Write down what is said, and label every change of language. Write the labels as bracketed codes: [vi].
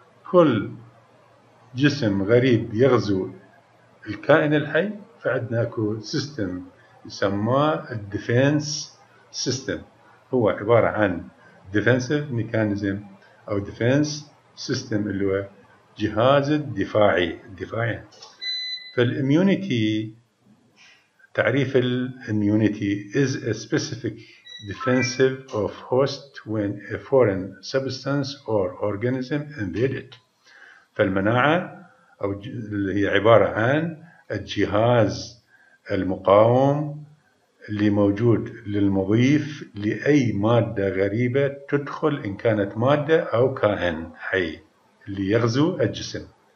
[ar] كل جسم غريب يغزو الكائن الحي، فعندنا اكو سيستم يسمى الديفنس سيستم، هو عبارة عن ديفنسيف ميكانيزم أو ديفنس سيستم اللي هو جهاز الدفاعي الدفاعي. فالإميونيتي، تعريف الإميونيتي [en] is a specific defensive of host when a foreign substance or organism invaded. [ar] فالمناعة أو هي عبارة عن الجهاز المقاوم اللي موجود للمضيف لأي مادة غريبة تدخل، إن كانت مادة أو كائن حي اللي يغزو الجسم.